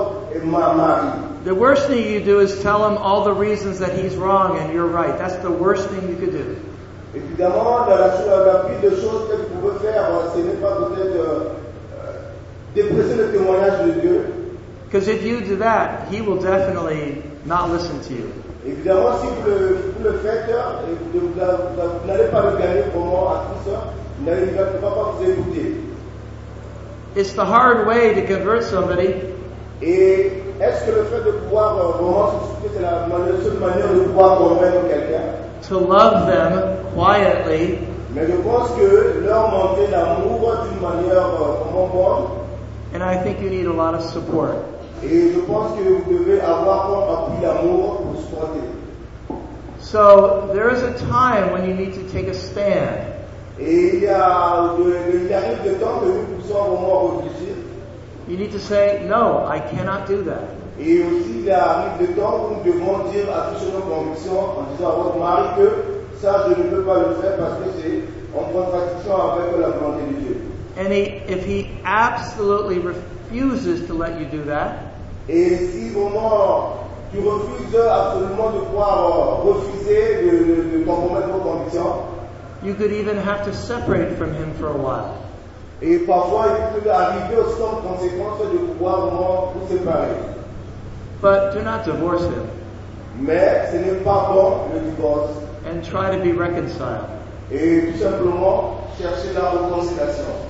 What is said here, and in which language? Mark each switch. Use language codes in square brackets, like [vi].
[en] The worst thing you do is tell him all the reasons that he's wrong and you're right. That's the worst thing you could do. [fr] Évidemment, la chose la pire de choses que vous pouvez faire, ce n'est pas peut-être déprécier le témoignage de Dieu. [en] Because if you do that, he will definitely not listen to you. [fr] Évidemment, si vous le faites, vous n'allez pas le gagner pour moi à tout ça. Vous n'allez pas vous écouter. [en] It's the hard way to convert somebody. [fr] Et est-ce que le fait de pouvoir vraiment se soucier, c'est la seule manière de pouvoir convaincre quelqu'un? [en] To love them quietly. [fr] Mais je pense que leur montrer l'amour d'une manière vraiment bonne. [en] And I think you need a lot of support. [fr] Et je pense que vous devez avoir un appui d'amour pour supporter. [en] So, there is a time when you need to take a stand. [fr] Et il arrive le temps que vous puissiez vraiment réfléchir. [en] You need to say, no, I cannot do that. [fr] Et aussi, il arrive le temps où nous devons dire à toutes nos convictions en disant à votre mari que ça, je ne peux pas le faire parce que c'est en contradiction avec la volonté de Dieu. [en] And if he absolutely refuses to let you do that, [fr] et si vraiment tu refuses absolument de pouvoir refuser de compromettre vos convictions, [en] You could even have to separate from him for a while. [fr] Et parfois, il peut arriver aux sortes conséquences de pouvoir vraiment vous séparer. [en] But do not divorce him. [fr] Mais ce n'est pas bon le divorce. [en] And try to be reconciled. [fr] Et tout simplement, chercher la réconciliation.